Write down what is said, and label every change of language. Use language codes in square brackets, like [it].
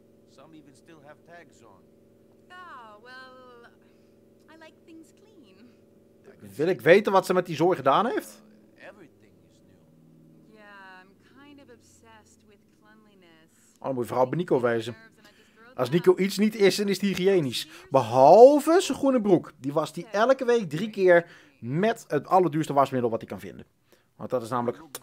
[en] Some even still have tags on. Oh, well, I like things clean. [nl] Wil ik weten wat ze met die zooi gedaan heeft? [en] Everything is new. Yeah, I'm kind of obsessed with cleanliness. [nl] Oh, dan moet je vooral bij Nico wijzen. Als Nico iets niet is, dan is hij hygiënisch. Behalve zijn groene broek. Die was hij elke week 3 keer met het allerduurste wasmiddel wat hij kan vinden. Want dat is namelijk...